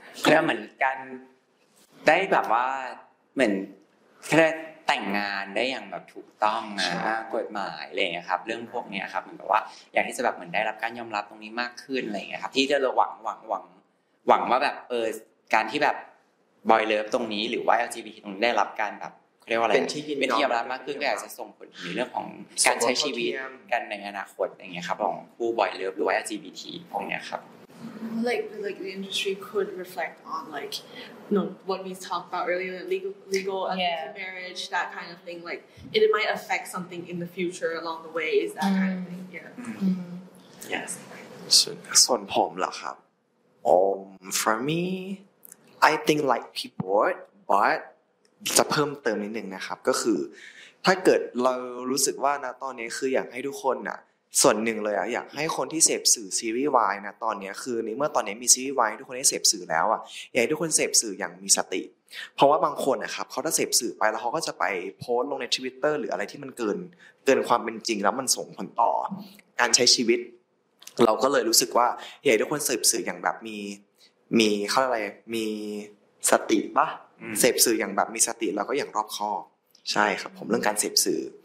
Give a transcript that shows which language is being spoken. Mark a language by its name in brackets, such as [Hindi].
[Thai] แล้วเหมือนกันได้แบบว่าเหมือนแค่แต่งงานได้อย่างแบบถูกต้องนะกฎหมายอะไรเงี้ยครับเรื่องพวกเนี้ยครับเหมือนแบบว่าอยากที่จะแบบเหมือนได้รับการยอมรับตรงนี้มากขึ้นอะไรเงี้ยครับที่จะหวังว่าแบบการที่แบบบอยเลิฟตรงนี้หรือว่า LGBT ตรงนี้ได้รับการแบบเรียกว่าอะไร เป็นที่ ยอมรับมากขึ้นก็อาจจะส่งผลในเรื่องของการใช้ชีวิตกันในอนาคตอย่างเงี้ยครับของผู้บอยเลิฟหรือว่า LGBT พวกเนี้ยครับ [English] like the industry could reflect on like no what we talked about earlier legal marriage that kind of thing like it might affect something in the future along the way is that kind of thing [Thai] yes ส่วนผมเหรอครับ [English] For me, I think like people, but [Thai] จะเพิ่มเติมนิดนึงนะครับก็คือถ้าเกิดเรารู้สึกว่านะตอนนี้คืออยากให้ทุกคนน่ะ ส่วนหนึ่งเลยอ่ะอยากให้คนที่เสพสื่อซีรีส์วายนะตอนนี้คือนี่เมื่อตอนนี้มีซีรีส์วายทุกคนได้เสพสื่อแล้วอ่ะอยากให้ทุกคนเสพสื่ออย่างมีสติเพราะว่าบางคนนะครับเขาถ้าเสพสื่อไปแล้วเขาก็จะไปโพสต์ลงในทวิตเตอร์หรืออะไรที่มันเกินความเป็นจริงแล้วมันส่งผลต่อการใช้ชีวิตเราก็เลยรู้สึกว่าอยากให้ทุกคนเสพสื่ออย่างแบบมีเขาอะไรมีสติป่ะเสพสื่ออย่างแบบมีสติแล้วก็อย่างรอบคอบใช่ครับผมเรื่องการเสพสื่อ